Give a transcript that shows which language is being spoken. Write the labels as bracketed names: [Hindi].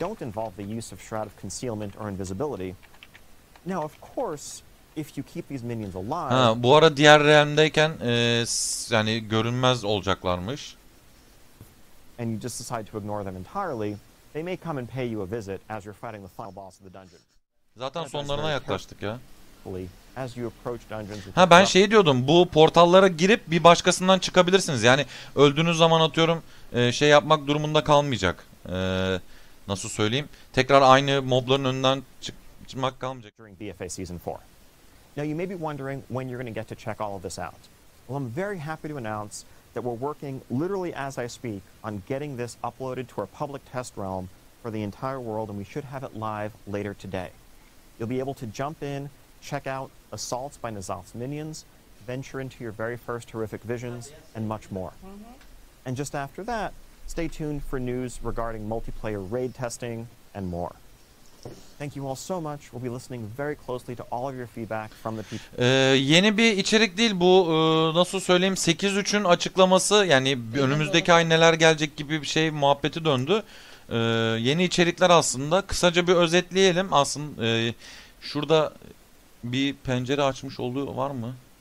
[English] Don't involve the use of shroud of concealment or invisibility. Now of course if you keep these minions alive. [Turkish] Ha, bu ara diğer realmdeyken yani görünmez olacaklarmış. [English] And you just decide to ignore them entirely, they may come and pay you a visit as you're fighting the final boss of the dungeon. [Turkish] Zaten sonlarına yaklaştık ya. [English] As you approach dungeons. [Turkish] Ha, ben şey diyordum, bu portallara girip bir başkasından çıkabilirsiniz. Yani öldüğünüz zaman atıyorum şey yapmak durumunda kalmayacak. Nasıl söyleyeyim? Tekrar aynı mobların önünden çıkmak kalmayacak. [English] During BFA season 4. Now you may be wondering when you're going to get to check all of this out. Well, I'm very happy to announce that we're working literally as I speak on getting this uploaded to our public test realm for the entire world, and we should have it live later today. You'll be able to jump in, check out assaults by Nazoth's minions, venture into your very first horrific visions, and much more. And just after that, stay tuned for news regarding multiplayer raid testing and more. Thank you all so much. We'll be listening very closely to all of your feedback from the people. [Turkish] Yeni bir içerik değil bu. Nasıl söyleyeyim? 8.3'ün açıklaması, yani önümüzdeki ay neler gelecek gibi bir şey muhabbeti döndü. Yeni içerikler aslında. Kısaca bir özetleyelim. Aslında şurada bir pencere açmış olduğu var mı?